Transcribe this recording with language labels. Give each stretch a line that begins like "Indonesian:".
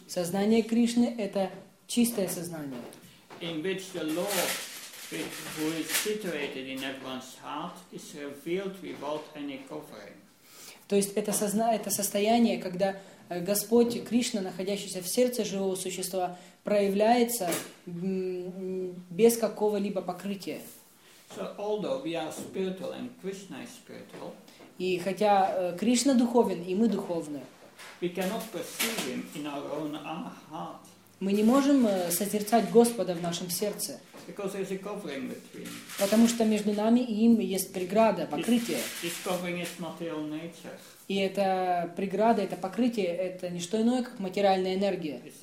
Russian: Сознание Кришны — это чистое сознание,
English: in which the Lord, who is situated in everyone's heart, is revealed without any covering.
Russian: То есть это это состояние, когда Господь Кришна, находящийся в сердце живого существа, проявляется без какого-либо покрытия.
English: So, although we are spiritual and Krishna is spiritual,
Russian: и хотя Кришна духовен, и мы духовны,
English: we cannot perceive him in our own heart.
Russian: Мы не можем созерцать Господа в нашем сердце,
English: because there's a covering between.
Russian: Потому что между нами и им есть преграда, покрытие.
English: This covering is material nature.
Russian: И эта преграда, это покрытие, это не что иное, как материальная энергия.